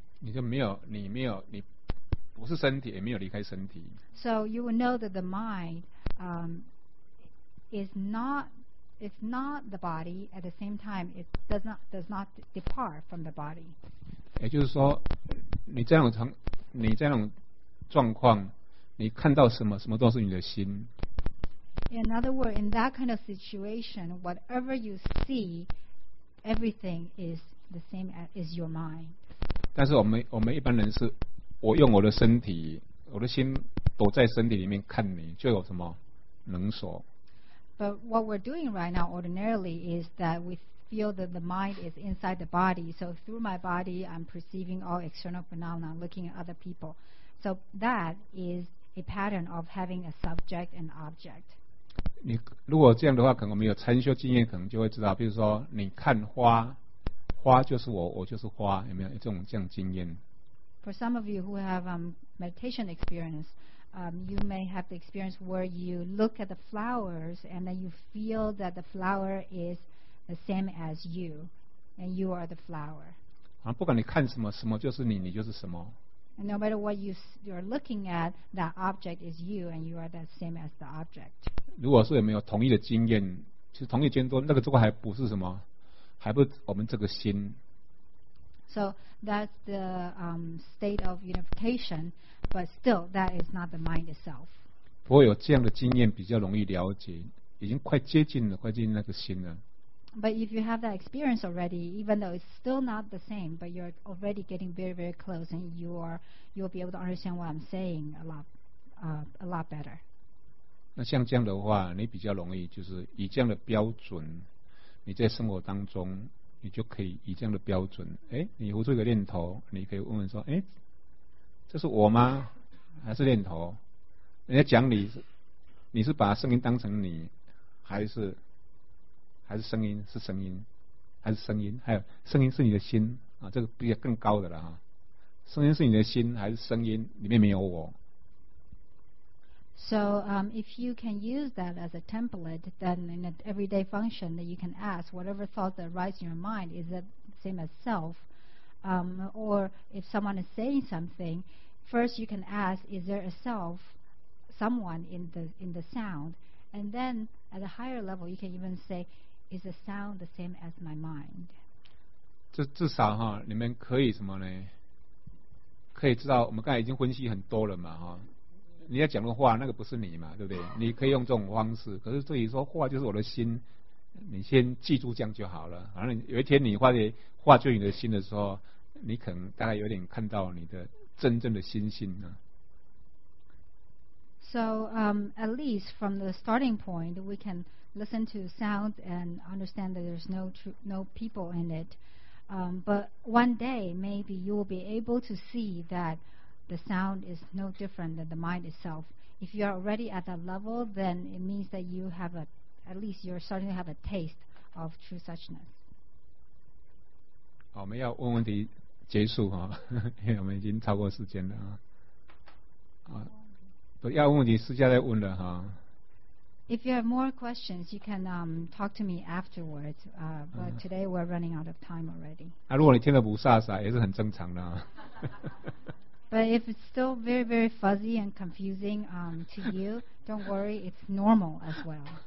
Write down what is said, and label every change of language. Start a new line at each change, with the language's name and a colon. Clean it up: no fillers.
Chinese: 你就没有，你没有，你不是身体，也没有离开身体。
English: So you will know that the mind is not the body. At the same time, it does not depart from the body.
Chinese: 也就是说，你这种状况，你看到什么都是你的心。
English: In other words, in that kind of situation, whatever you see, everything is the same as is your mind.
Chinese: 但是我们一般人是，我用我的身体，我的心躲在身体里面看你，就有什么能所。
English: But But what we're doing right now ordinarily is that we feel that the mind is inside the body. So through my body, I'm perceiving all external phenomena, looking at other people. So that is a pattern of having a subject and object.
Chinese: 你如果这样的话，可能我们有禅修经验，可能就会知道，比如说你看花，花就是我，我就是花，有没有这样经验？
English: For some of you who have meditation experience, you may have the experience where you look at the flowers and then you feel that the flower is the same as you, and you are the flower.
Chinese: 啊，不管你看什么，什么就是你，你就是什么。
English: And no matter what you are looking at, that object is you, and you are the same as the object.
Chinese: 如果是有没有同一的经验，其实同一经验那个这个还不是什么，还不我们这个心。
English: So that's the state of unification, but still that is not the mind itself.
Chinese: 不过有这样的经验比较容易了解，已经快接近了，快接近那个心了。
English: But if you have that experience already, even though it's still not the same, but you're already getting very, very close, and you'll be able to understand what I'm saying a lot better.
Chinese: 那像这样的话，你比较容易就是以这样的标准，你在生活当中，你就可以以这样的标准，哎，你胡出一个念头，你可以问问说，哎，这是我吗？还是念头？人家讲你是把声音当成你，还是声音是声音，还是声音，还有声音是你的心啊，这个比较更高的了哈。声音是你的心，还是声音里面没有我
English: ？So if you can use that as a template, then in an everyday function, that you can ask whatever thought that arises in your mind, is it same as self? Or if someone is saying something, first you can ask, is there a self, someone in the sound? And then at a higher level, you can even say. Is the sound the same as my mind?
Chinese: 至少哈，你们可以什么呢？可以知道我们刚才已经分析很多了嘛哈。你要讲的话，那个不是你嘛，对不对？你可以用这种方式。可是对于说话就是我的心，你先记住这样就好了。反正有一天你话就你的心的时候，你可能大概有点看到你的真正的心性呢。
English: So at least from the starting point, we can. Listen to sound and understand that there's no people in it. But one day, maybe you will be able to see that the sound is no different than the mind itself. If you are already at that level, then it means that you have at least you're starting to have a taste of true suchness.
Chinese: 好，我们要问问题结束哈，因为我们已经超过时间了啊。不要问问题，私下再问了哈。
English: If you have more questions, you can talk to me afterwards. But today we're running out of time already.
Chinese: 啊，如果你听得不飒飒，也是很正常的。
English: But if it's still very, very fuzzy and confusing to you, don't worry, it's normal as well.